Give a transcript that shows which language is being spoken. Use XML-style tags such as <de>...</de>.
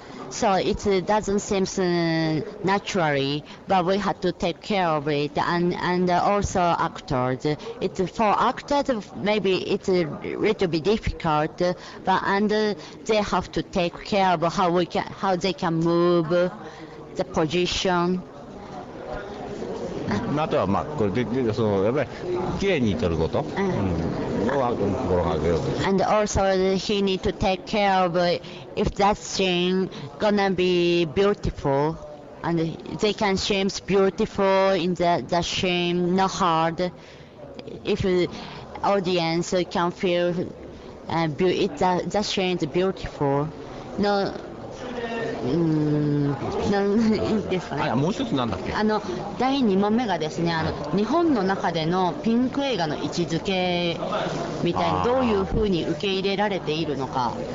<en>So it doesn't seem naturally, but we have to take care of it, and also actors. It's for actors, maybe it's a little bit difficult, but and they have to take care of how we can, how they can move the position.</en> <ja>あとはまあこれでそのやっぱり綺麗に撮ること、うん、を心がけようと。</ja> <en>And also he need to take care of if that scene gonna be beautiful and they can seem beautiful in the scene, not hard. If audience can feel that scene is beautiful, no.</en> <ja>もう一つなんだっけ、あの第2問目がですね、あの日本の中でのピンク映画の位置づけみたいにどういうふうに受け入れられているのか、</ja>